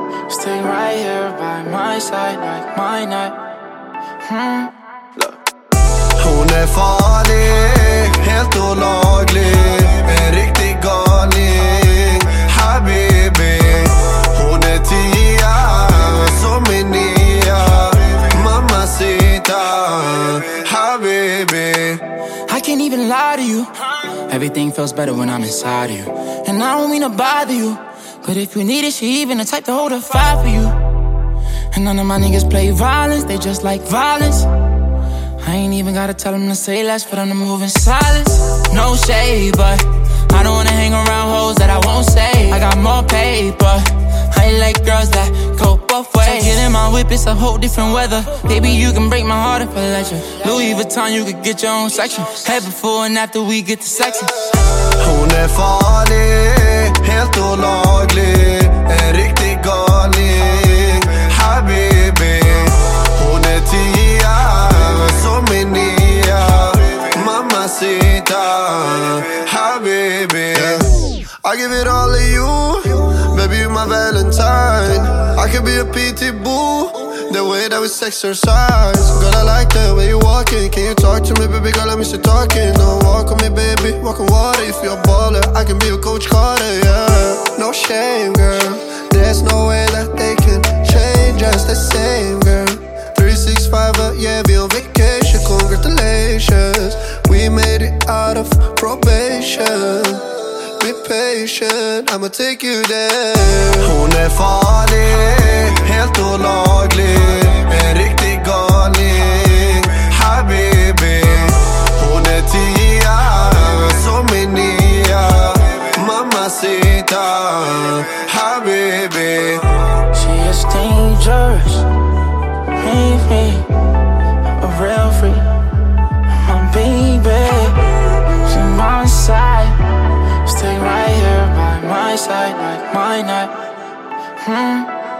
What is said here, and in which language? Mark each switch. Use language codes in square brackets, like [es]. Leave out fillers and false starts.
[en] Stay right here by my side, like my night. [sv] Hon är farlig, helt olaglig, en riktig galning, habibi. Hon är tia, som är nia, mamacita, habibi. [en] I can't even lie to you, everything feels better when I'm inside of you. And I don't mean to bother you, but if you need it, she even the type to hold a fire for you. And none of my niggas play violence, they just like violence. I ain't even gotta tell them to say less for them to move in silence. No shade, but I don't wanna hang around hoes that I won't say. I got more paper, I like girls that go both ways. So get in my whip, it's a whole different weather. Baby, you can break my heart if I let you. Louis Vuitton, you could get your own section. Head before and after we get to sexing. [sv] Hon är farlig, helt olaglig, en riktig galning, habibi. Hon är tia, som är nia, mamacita, habibi. [en] I give it all to you, baby, you my valentine. I could be a PT boo, the way that we sex our sides. Girl, I like the way you walking. Can you talk to me, baby? Girl, I miss you talking. Don't walk on me, baby, walk on water. If you're a baller, I can be a Coach Carter, yeah. No shame, girl, there's no way that they can change us the same, girl. 365, yeah, be on vacation, congratulations. We made it out of probation. Be patient, I'ma take you there. [sv] Hon är farlig, helt olaglig, en riktig galning, habibi. Hon är tia, som är nia, mamacita, habibi. [en] She is dangerous, maybe a real freak. My baby, she my side. Stay right here by my side, like my night.